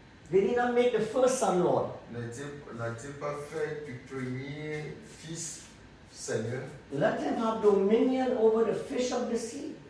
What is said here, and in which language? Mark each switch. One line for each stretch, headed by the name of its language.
English: Did he not make the first son Lord?
French: N'a-t-il pas fait du premier fils Seigneur?
English: Let him have dominion over the fish of the sea.